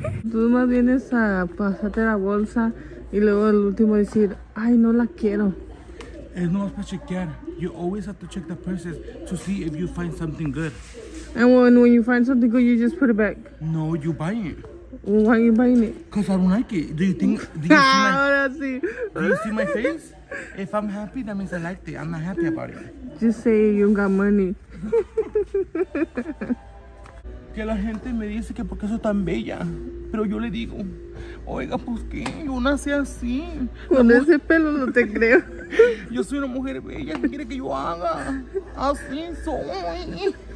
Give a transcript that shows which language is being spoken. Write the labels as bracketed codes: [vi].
[es] Tú más vienes a pasarte la bolsa y luego el último decir, ay, no la quiero. Es nomás para chequear. [en] You always have to check the purses to see if you find something good. And when you find something good, you just put it back. No, you buy it. Why are you buying it? Because I don't like it. Do you think? Do you see my face? If I'm happy, that means I liked it. I'm not happy about it. Just say you got money. [es] Que la gente me dice que porque soy tan bella, pero yo le digo, oiga, pues qué, yo nací así. Con ese pelo no te creo. Yo soy una mujer bella, ¿qué quiere que yo haga? Así soy.